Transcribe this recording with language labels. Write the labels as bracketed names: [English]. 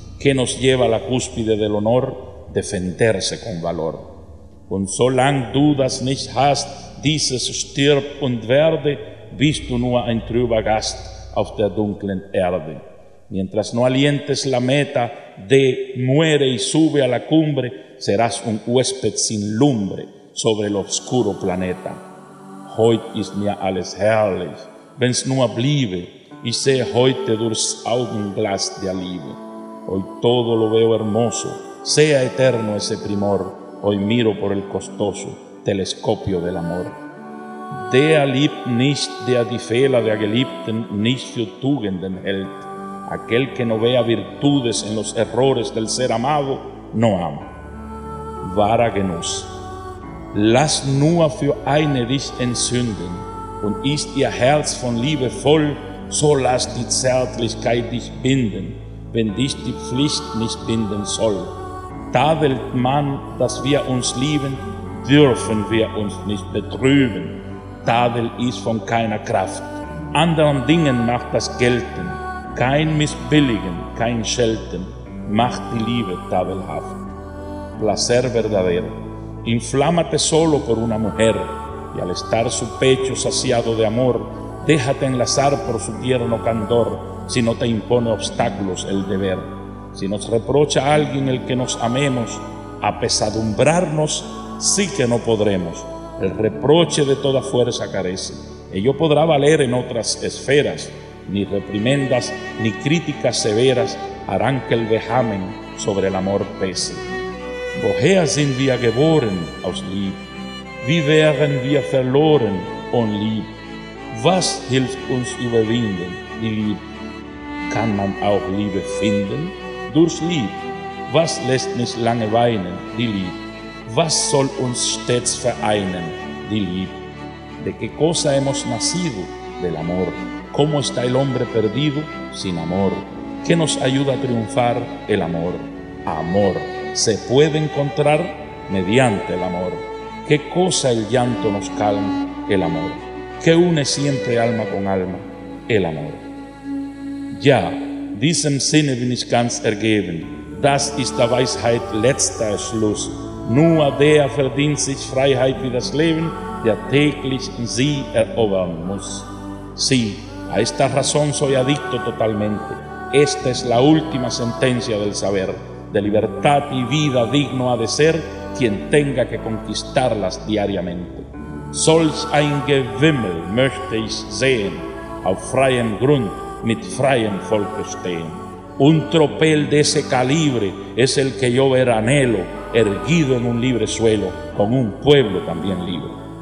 [Spanish] ¿Qué nos lleva a la cúspide del honor defenderse con valor? [German] Und so lang du das nicht hast, dieses stirb und werde, bist du nur ein trüber Gast auf der dunklen Erde. [Spanish] Mientras no alientes la meta de muere y sube a la cumbre, serás un huésped sin lumbre sobre el oscuro planeta. [German] Heut ist mir alles herrlich, wenn's nur bliebe, ich sehe heute durchs Augenglas der Liebe. [Spanish] Hoy todo lo veo hermoso, sea eterno ese primor, hoy miro por el costoso telescopio del amor. [German] Der liebt nicht, der die Fehler der Geliebten nicht für Tugenden hält. [Spanish] Aquel que no vea virtudes en los errores del ser amado, no ama. [German] Wahre Genuss. Lass nur für eine dich entzünden, und ist ihr Herz von Liebe voll, so lass die Zärtlichkeit dich binden, wenn dich die Pflicht nicht binden soll. Tadelt man, dass wir uns lieben, dürfen wir uns nicht betrüben. Tadel ist von keiner Kraft. Anderen Dingen macht das gelten. Kein Missbilligen, kein Schelten macht die Liebe tadelhaft. [Spanish] Placer verdadero. Inflámate solo por una mujer. Y al estar su pecho saciado de amor, déjate enlazar por su tierno candor, si no te impone obstáculos el deber. Si nos reprocha alguien el que nos amemos, apesadumbrarnos sí que no podremos. El reproche de toda fuerza carece. Ello podrá valer en otras esferas. Ni reprimendas ni críticas severas harán que el vejamen sobre el amor pese. [German] Woher sind wir geboren aus Lieb? Wie wären wir verloren ohne Lieb? Was hilft uns überwinden die Lieb? Kann man auch Liebe finden durch Lieb? Was lässt nicht lange weinen die Lieb? Was soll uns stets vereinen, die Liebe? [Spanish] De qué cosa hemos nacido? Del amor. ¿Cómo está el hombre perdido? Sin amor. ¿Qué nos ayuda a triunfar? El amor. Amor. ¿Se puede encontrar? Mediante el amor. ¿Qué cosa el llanto nos calma? El amor. ¿Qué une siempre alma con alma? El amor. [German] Ja, diesem Sinne bin ich ganz ergeben. Das ist der Weisheit letzter Schluss. Nur der verdient sich Freiheit wie das Leben, der täglich sie erobern muss. [Spanish] Sí, a esta razón soy adicto totalmente. Esta es la última sentencia del saber. De libertad y vida digno ha de ser quien tenga que conquistarlas diariamente. [German] Solch ein Gewimmel möchte ich sehen, auf freiem Grund mit freiem Volke stehen. [Spanish] Un tropel de ese calibre es el que yo ver anhelo, erguido en un libre suelo, con un pueblo también libre.